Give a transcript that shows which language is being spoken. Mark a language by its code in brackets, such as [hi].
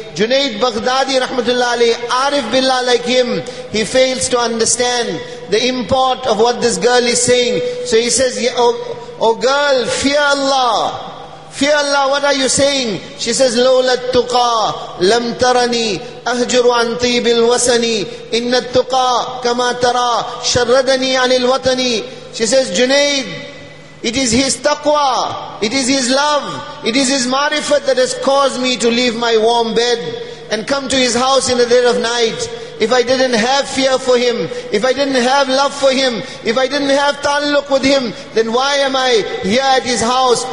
[en] Junaid Baghdadi, rahmatullah alayh, Arif Billah like him, he fails to understand the import of what this girl is saying. So he says, oh girl, fear Allah. Fear Allah, what are you saying? She says, [ar] Lawla tuqa lam tarani أهجر عن طيب الوسن إن التقى كما ترى شردني عن الوطن. [en] She says, Junaid, it is his taqwa, it is his love, it is his marifat that has caused me to leave my warm bed and come to his house in the dead of night. If I didn't have fear for him, if I didn't have love for him, if I didn't have taluk with him, then why am I here at his house?